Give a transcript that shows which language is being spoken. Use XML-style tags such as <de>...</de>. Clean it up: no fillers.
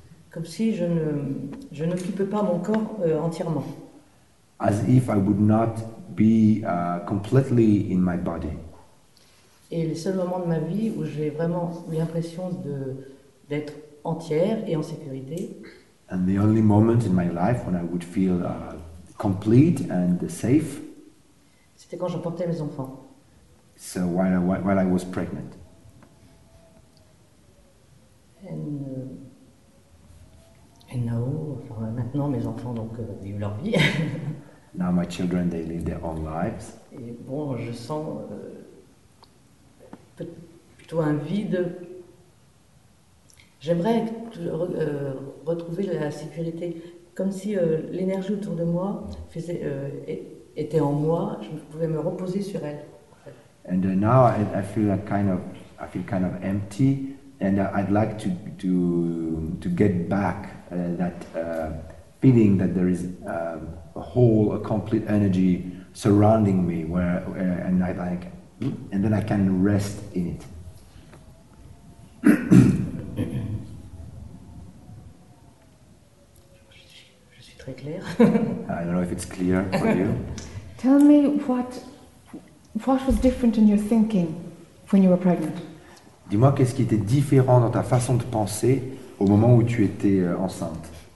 <fr>Comme si je n'occupais pas mon corps entièrement.</fr> <en>As if I would not be completely in my body.</en> <fr>Et les seuls moments de ma vie où j'ai vraiment eu l'impression de d'être entière et en sécurité.</fr> <en>And the only moment in my life when I would feel complete and safe.</en> <fr>C'était quand j'emportais mes enfants.</fr> <en>So while I was pregnant. And now,</en> <fr>enfin, maintenant mes enfants donc vivent leur vie.</fr> <en>Now my children, they live their own lives.</en> <fr>Et bon, je sens plutôt un vide. J'aimerais retrouver la sécurité, comme si l'énergie autour de moi faisait, était en moi. Je pouvais me reposer sur elle.</fr> <en>And now I feel a kind of, I feel kind of empty, and I'd like to get back that feeling that there is a whole, a complete energy surrounding me, where and I like, and then I can rest in it. I don't know if it's clear for you. Tell me what was different in your thinking when you were pregnant.</en> <fr>Dis-moi qu'est-ce qui était différent dans ta façon de penser au moment où tu étais enceinte.</fr>